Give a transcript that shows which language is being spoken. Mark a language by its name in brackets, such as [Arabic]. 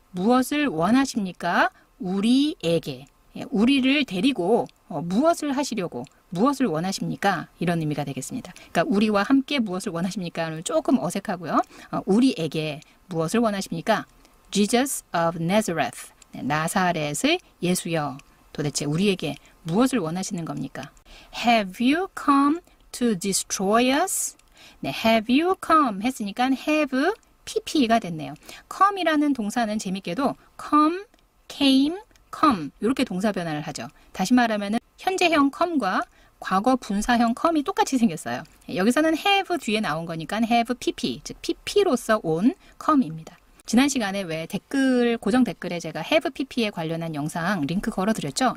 [Korean] 무엇을 원하십니까? 우리에게. 우리를 데리고 무엇을 하시려고 무엇을 원하십니까? 이런 의미가 되겠습니다. 그러니까 우리와 함께 무엇을 원하십니까? 조금 어색하고요. 우리에게 무엇을 원하십니까? [English] Jesus of Nazareth. [Korean] 네, 나사렛의 예수여. 도대체 우리에게 무엇을 원하시는 겁니까? [English] Have you come to destroy us? [Korean] 네, [English] have you come [Korean] 했으니까 have PP가 됐네요. Come이라는 동사는 재밌게도 come, came, come 이렇게 동사 변화를 하죠. 다시 말하면 현재형 come과 과거 분사형 come이 똑같이 생겼어요. 여기서는 have 뒤에 나온 거니까 have PP, 즉 PP로서 온 come입니다. 지난 시간에 왜 댓글, 고정 댓글에 제가 have PP에 관련한 영상 링크 걸어드렸죠?